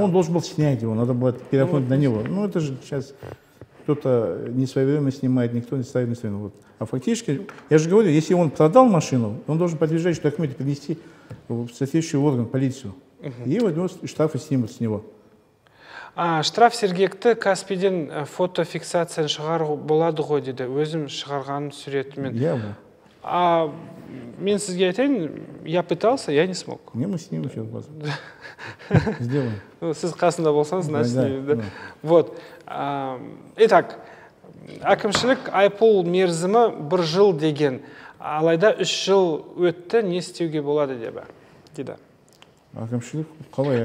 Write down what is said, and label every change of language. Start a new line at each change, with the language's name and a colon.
Russian: Ну, он должен был снять его, надо было переоформить, ну, на него. Ну, это же сейчас кто-то не своевременно снимает, никто не ставит на свину. Вот. А фактически, я же говорю, если он продал машину, он должен подтверждающие документы принести в соответствующий орган, полицию. Угу. И вот его штрафы снимут с него.
Kazakh: А штраф сергекті каспиден фотофиксацияны шығару болады ғой, деді. Өзім шығарған суретімен.
Russian: Я бы.
Kazakh: А мен сізге айтайын,
Russian: я пытался, я не смог. Не, мы снимем сейчас вас. Сделаем.
Kazakh: Сіз қасында болсаңыз,
Russian: значит, снимем. Да. Вот. Итак,
Kazakh: әкімшілік айыппұл мерзімі бір жыл деген. Алайда үш жыл өтті, не істеуге болады деп. Деді. Әкімшілік қалай?